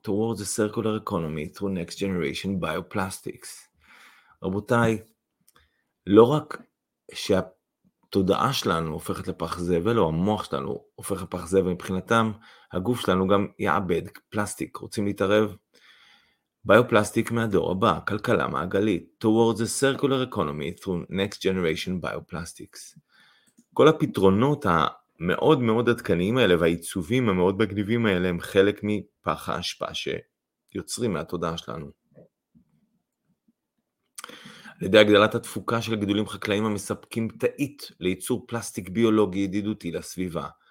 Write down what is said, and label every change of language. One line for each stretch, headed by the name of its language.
English: Towards a circular economy through next generation bioplastics.
Hebrew: רבותיי, לא רק שהתודעה שלנו הופכת לפח זבל, או המוח שלנו הופך לפח זבל מבחינתם, הגוף שלנו גם יאבד פלסטיק. רוצים להתערב? ביופלסטיק מהדור הבא, כלכלה מעגלית.
English: Towards a circular economy through next generation bioplastics.
Hebrew: כל הפתרונות המאוד מאוד עדכניים האלה והעיצובים המאוד מגניבים האלה הם חלק מפח ההשפעה שיוצרים מהתודעה שלנו. על ידי הגדלת התפוקה של גידולים חקלאיים המספקים תאית לייצור פלסטיק ביולוגי ידידותי לסביבה.